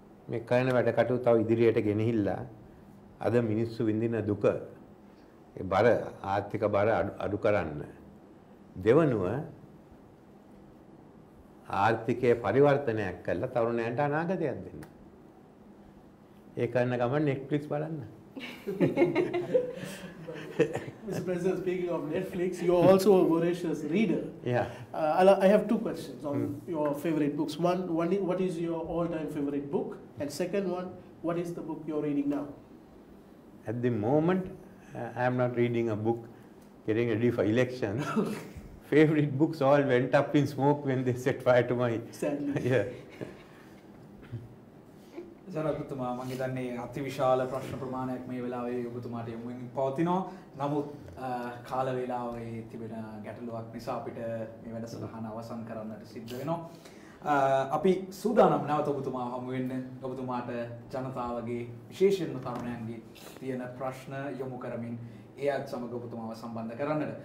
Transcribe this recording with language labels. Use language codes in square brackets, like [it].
[si] මේ කරන වැඩ කටයුතු තව ඉදිරියට ගෙනහිල්ලා අද මිනිස්සු විඳින දුක ඒ බර ආර්ථික බර අඩු කරන්න. දෙවනුව ආර්ථිකයේ පරිවර්තනයක් කළා තරුණයන්ට අනාගතයක් දෙන්න. ඒ කරන ගමන් Netflix බලන්න. [en] Mr. President, speaking of Netflix, you are also a voracious reader. Yeah. I have two questions on your favorite books. One, what is your all-time favorite book? And second one, what is the book you are reading now? At the moment, I am not reading a book, getting ready for election. Favorite books all went up in smoke when they set fire to my... Sadly. Yeah. [si] ජනාධිපතිතුමා මම හිතන්නේ අතිවිශාල ප්‍රශ්න ප්‍රමාණයක් මේ වෙලාවේ ඔබතුමාට යොමු වෙමින් පවතිනවා. නමුත් කාල වේලාවේ තිබෙන ගැටලුවක් නිසා අපිට මේ වැඩසටහන අවසන් කරන්නට සිද්ධ වෙනවා. අපි සූදානම් නැවත ඔබතුමා හමු වෙන්න ඔබතුමාට ජනතාවගේ විශේෂයෙන්ම තරුණයන්ගේ තියෙන ප්‍රශ්න යොමු කරමින් එයත් සමග ඔබතුමාව සම්බන්ධ කරන්නට.